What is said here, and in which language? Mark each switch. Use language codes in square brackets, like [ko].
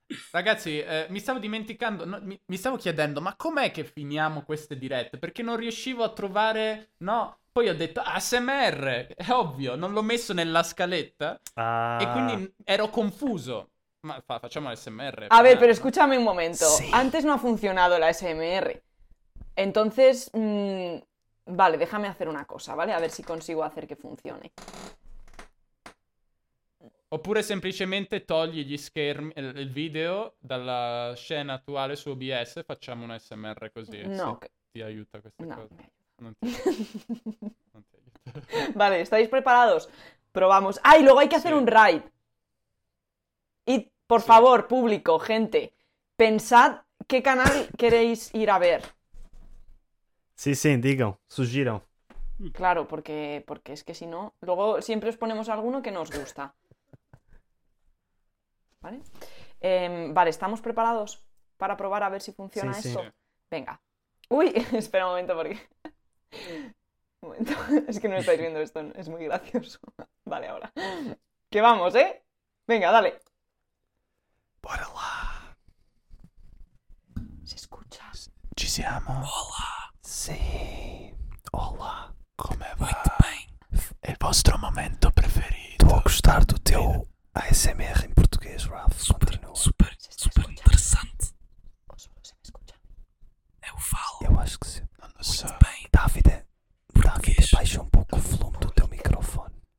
[it] Ragazzi, mi stavo dimenticando, no, mi stavo chiedendo, ma com'è che finiamo queste dirette? Perché non riuscivo a trovare, no, poi ho detto ASMR, è ovvio, non l'ho messo nella scaletta, ah. E quindi ero confuso. Ma facciamo ASMR. [es] A ver, pero escúchame un momento, sí. Antes no ha funcionado la ASMR, entonces, vale, déjame hacer una cosa, ¿vale? A ver si consigo hacer que funcione. [it] Oppure semplicemente togli gli schermi, il video dalla scena attuale su OBS e facciamo un ASMR così. No. Ti aiuta questa no. cosa. Non ti aiuta. Non ti aiuta. [es] Vale, ¿estáis preparados? Probamos. Ah, y luego hay que hacer un raid. Y, por favor, público, gente, pensad qué canal queréis ir a ver. Sí, sí, digan, sugiran. Claro, porque es que si no, luego siempre os ponemos alguno que nos gusta. ¿Vale? Vale, ¿estamos preparados para probar a ver si funciona sí, esto? Sí. Venga. ¡Uy! Espera un momento porque... Un momento. Es que no estáis viendo esto. Es muy gracioso. Vale, ahora. ¡Que vamos, eh! Venga, dale. Hola. ¿Se escucha? [it] Ci siamo. [es] Hola. Sí. Hola. ¿Cómo va? Muy bien. El vuestro momento preferido. Tu gustar tu teu... Bien. [pt] ASMR em português, Ralph. Super, super, super interessante. Ou só você me escuta? Eu falo. Eu acho que sim. Não, não sei. Bem. Davide, Davide, baixa um pouco o volume do teu microfone.